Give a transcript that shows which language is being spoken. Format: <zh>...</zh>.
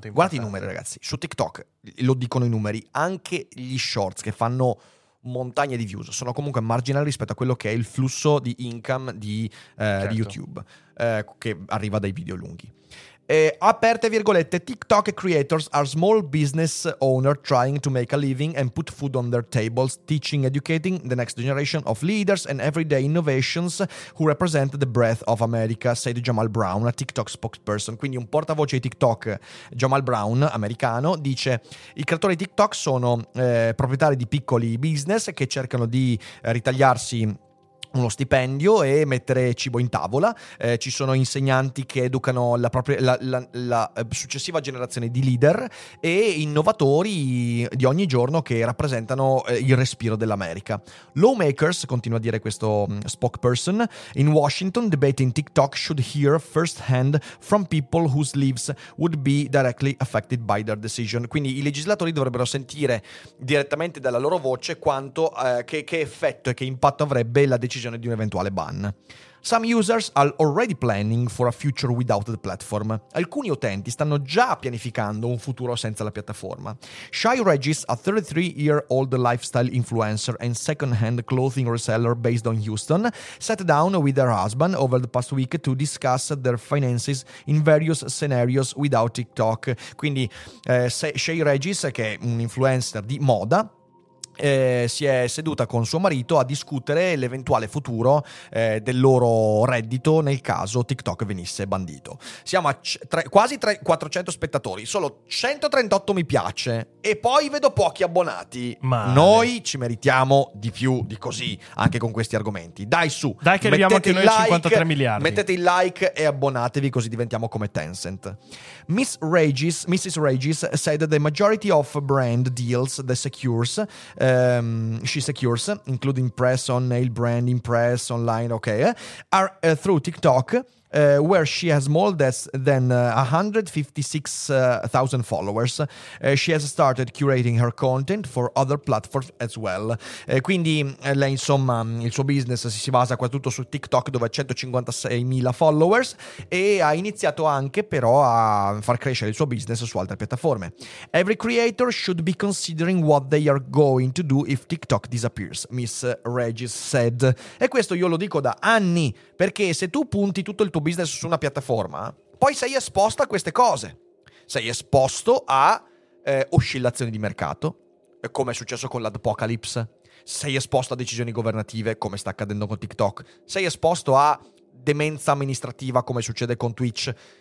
<it>Sono guardate i numeri, ragazzi, su TikTok lo dicono i numeri, anche gli shorts che fanno montagne di views sono comunque marginali rispetto a quello che è il flusso di income di YouTube che arriva dai video lunghi. Aperte virgolette,</it> <en>TikTok creators are small business owner trying to make a living and put food on their tables, teaching, educating the next generation of leaders and everyday innovations who represent the breath of America, said Jamal Brown, a TikTok spokesperson.</en> <it>Quindi un portavoce di TikTok, Jamal Brown, americano, dice: i creatori di TikTok sono proprietari di piccoli business che cercano di ritagliarsi uno stipendio e mettere cibo in tavola. Ci sono insegnanti che educano la successiva generazione di leader e innovatori di ogni giorno che rappresentano il respiro dell'America.</it> <en>Lawmakers,</en> <it>continua a dire questo</it> <en>spokesperson, in Washington debating TikTok should hear first hand from people whose lives would be directly affected by their decision.</en> <it>Quindi i legislatori dovrebbero sentire direttamente dalla loro voce quanto che effetto e che impatto avrebbe la decisione di un eventuale ban.</it> <en>Some users are already planning for a future without the platform.</en> <it>Alcuni utenti stanno già pianificando un futuro senza la piattaforma.</it> <en>Shai Regis, a 33-year-old lifestyle influencer and second-hand clothing reseller based on Houston, sat down with her husband over the past week to discuss their finances in various scenarios without TikTok.</en> <it>Quindi Shai Regis, che è un influencer di moda, si è seduta con suo marito a discutere l'eventuale futuro del loro reddito nel caso TikTok venisse bandito. Siamo a quasi 400 spettatori, solo 138 mi piace e poi vedo pochi abbonati. Male. Noi ci meritiamo di più di così, anche con questi argomenti. Dai su, dai che arriviamo anche noi a 53 miliardi. Mettete il like e abbonatevi, così diventiamo come Tencent.</it> <en>Mrs. Regis said that the majority of brand deals the secures she secures, including press on nail branding, press online, okay, are through TikTok, where she has more or less than 156,000 followers. She has started curating her content for other platforms as well.</en> <it>Quindi lei, insomma, il suo business si basa qua tutto su TikTok, dove ha 156,000 followers, e ha iniziato anche però a far crescere il suo business su altre piattaforme.</it> <en>Every creator should be considering what they are going to do if TikTok disappears, Miss Regis said.</en> <it>E questo io lo dico da anni, perché se tu punti tutto il tuo business su una piattaforma, poi sei esposto a queste cose, sei esposto a oscillazioni di mercato, come è successo con l'Adpocalypse, sei esposto a decisioni governative, come sta accadendo con TikTok, sei esposto a demenza amministrativa, come succede con Twitch.</it>